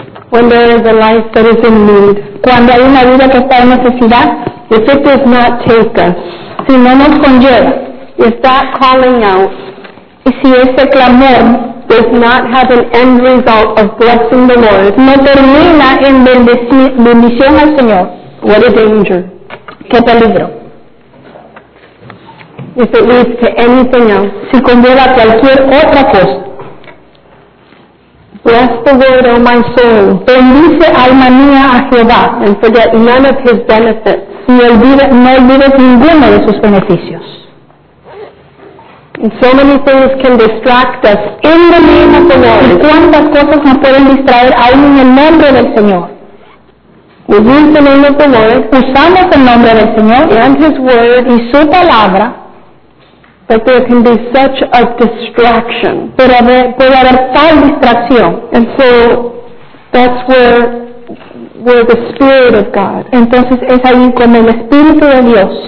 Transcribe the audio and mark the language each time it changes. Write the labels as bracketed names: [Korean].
[English] When there is a life that is in need. [Spanish] Cuando hay una vida que está en necesidad. [English] If it does not take us. [Spanish] Si no nos conlleva. [English] If that calling out. [Spanish] Y si ese clamor. [English] Does not have an end result of blessing the Lord. [Spanish] No termina en bendición al Señor. [English] What a danger. [Spanish] Qué peligro. [English] If it leads to anything else. [Spanish] Si conlleva cualquier otra cosa. [English] Bless the Lord, O my soul. [Spanish] Bendice alma mía a Jehová. [English] And forget none of his benefits. [Spanish] Y no olvides ninguno de sus beneficios. [English] And so many things can distract us in the name of the Lord. [Spanish] Y cuántas cosas nos pueden distraer aún en el nombre del Señor. [English] We use the name of the Lord. [Spanish] Usamos el nombre del Señor. [English] And his word. [Spanish] Y su palabra. [English] But there can be such a distraction. [Spanish] Pero puede haber tal distracción. [English] And so that's where the Spirit of God. [Spanish] Entonces es ahí como el Espíritu de Dios.